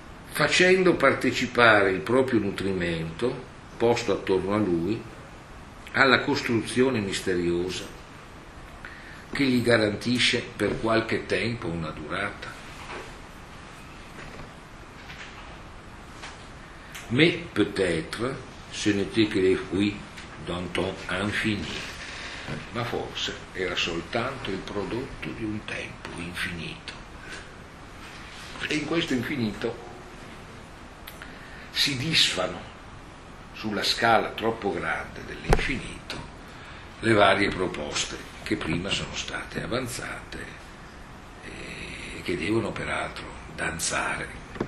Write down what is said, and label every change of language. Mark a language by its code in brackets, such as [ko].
[it] facendo partecipare il proprio nutrimento posto attorno a lui alla costruzione misteriosa che gli garantisce per qualche tempo una durata. [fr] Mais peut-être ce n'était que les fruits d'un temps infini. [it] Ma forse era soltanto il prodotto di un tempo infinito. E in questo infinito si disfano sulla scala troppo grande dell'infinito le varie proposte che prima sono state avanzate e che devono peraltro danzare.